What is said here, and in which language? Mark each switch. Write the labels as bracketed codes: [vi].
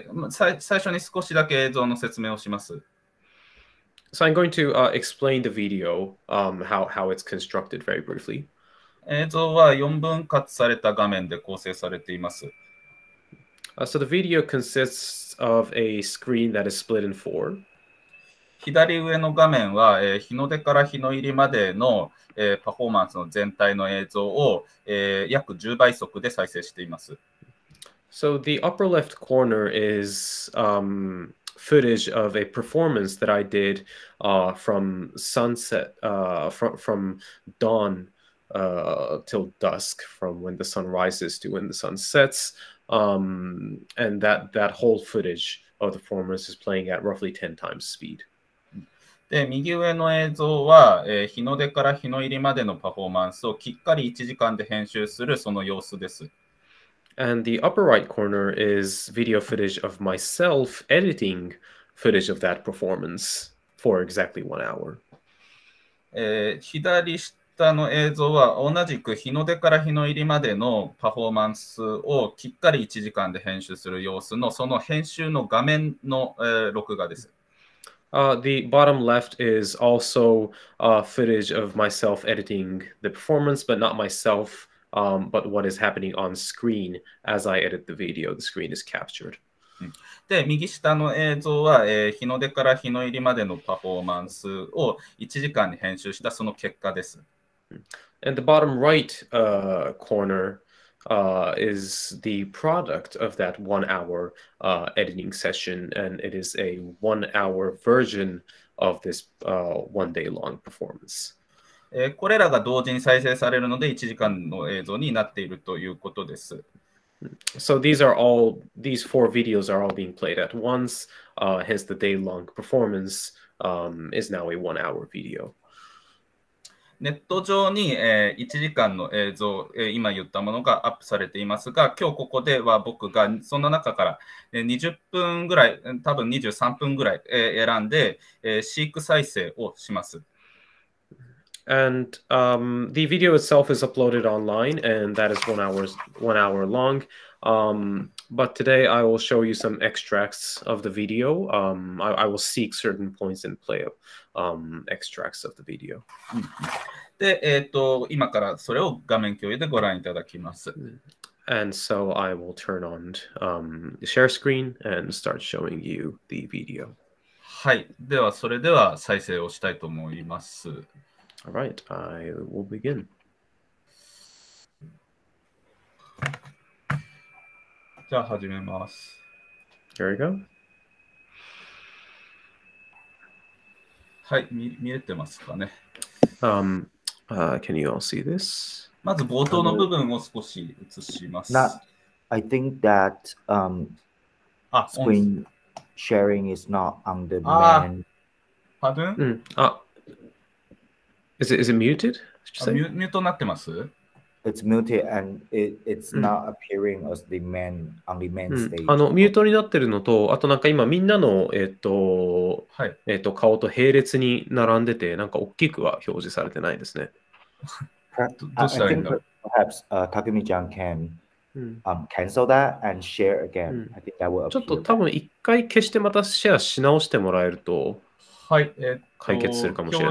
[ja] 最初に少しだけ映像の説明をします。 [en] So I'm going to explain the video, how it's constructed very briefly. [ja] 映像は4分割された画面で構成されています。 [en] So the video consists of a screen that is split in four. [ja] 左上の画面は、日の出から日の入りまでの、パフォーマンスの全体の映像を、約10倍速で再生しています。 [en] So the upper left corner is, footage of a performance that I did, from sunset, from dawn, till dusk, from when the sun rises to when the sun sets, and that whole footage of the performance is playing at roughly 10 times speed. [ja] で右上の映像は、日の出から日の入りまでのパフォーマンスをきっかり1時間で編集するその様子です。 [en] And the upper right corner is video footage of myself editing footage of that performance for exactly 1 hour.、 [ja] 左下の映像は同じく日の出から日の入りまでのパフォーマンスをきっかり1時間で編集する様子のその編集の画面の、録画です。 [en] The bottom left is also footage of myself editing the performance, but not myself, but what is happening on screen as I edit the video. The screen is captured. [ja] で、右下の映像は、日の出から日の入りまでのパフォーマンスを1時間に編集したその結果です。 [en] And the bottom right corner is the product of that 1 hour editing session, and it is a 1 hour version of this one day long performance. [ja] これらが同時に再生されるので1時間の映像になっているということです。 [en] So these four videos are all being played at once, hence the day long performance is now a 1 hour video. [ja] ネット上に、1時間の映像、今言ったものがアップされていますが、今日ここでは僕がその中から、20分ぐらい、多分23分ぐらい、選んで、飼育再生をします。 [en] And, the video itself is uploaded online, and that is one hour long. But today I will show you some extracts of the video. I will seek certain points and play up, extracts of the video. [ja] で、今からそれを画面共有でご覧いただきます。 [en] And so I will turn on, share screen and start showing you the video. [ja] はい。ではそれでは再生をしたいと思います。 [en] All right, I will begin. [ja] じゃあ始めます。 [en] Here we go. [ja] はい、見えてますかね。 [en] Can you all see this? [ja] まず冒頭の部分を少し映します。 [en] I think that screen sharing is not on the main. Pardon? Is it muted? [ja] Mute なってます? [en] It's muted and it's not appearing as the main on the main stage. [ja] ミュートになってるのと、あとなんか今みんなの顔と並列に並んでて、なんか大きくは表示されてないですね。 [en] I think perhaps Takumi-chan can cancel that and share again. I think that will appear. [ja] ちょっと多分一回消してまたシェアし直してもらえると。はい、解決するかもしれない。